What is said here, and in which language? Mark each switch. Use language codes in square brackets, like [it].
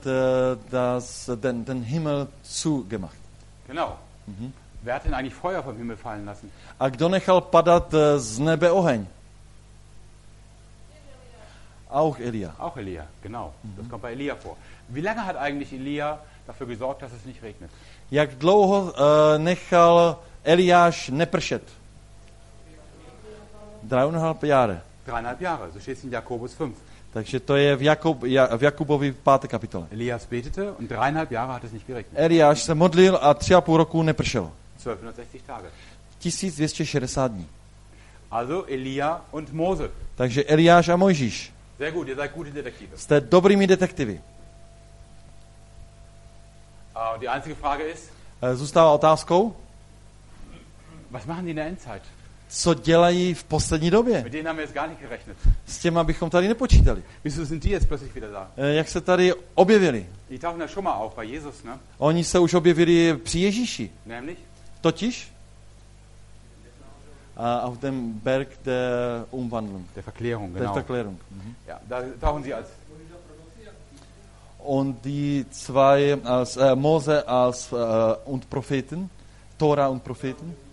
[de] Er hat den Himmel zugemacht. Genau. Mhm. Wer hat denn eigentlich Feuer vom Himmel fallen lassen? [cs] A kdo nechal padat z nebe oheň? [de] Auch Elia. Auch Elia, genau. Mm-hmm. Das kommt bei Elia vor. Wie lange hat eigentlich Elia dafür gesorgt, dass es nicht regnet? [cs] Jak dlouho nechal Eliáš nepršet? [de] Dreieinhalb Jahre. Dreieinhalb Jahre, so steht es in Jakobus 5. [cs] Takže to je v Jakubovi 5. kapitole. [de] Elias betete und dreieinhalb Jahre hat es nicht geregnet. [cs] Eliáš se modlil a 3,5 roku nepršelo. [de] 1260 Tage. [cs] 1260 dní. [de] Also Elia und Mose. [cs] Takže Eliáš a Mojžíš. [de] Sehr gut, ihr seid gute Detektive. [cs] Jste dobrými detektivy. [de] Die einzige Frage ist, [cs] zůstává otázkou. [de] Was machen die in der Endzeit? [cs] Co dělají v poslední době? [de] Mit denen haben wir jetzt gar nicht gerechnet. [cs] S těma bychom tady nepočítali. [de] Wieso sind die jetzt plötzlich wieder da? [cs] Jak se tady objevili? [de] Die tauchen ja schon mal auf bei Jesus, ne? [cs] Oni se už objevili při Ježíši. [de] Nämlich? [cs] Totiž? [de] Auf dem Berg der Umwandlung. Der Verklärung, genau. Der Verklärung. Ja, da tauchen sie als. Und die zwei als Mose als und Propheten, Tora und Propheten.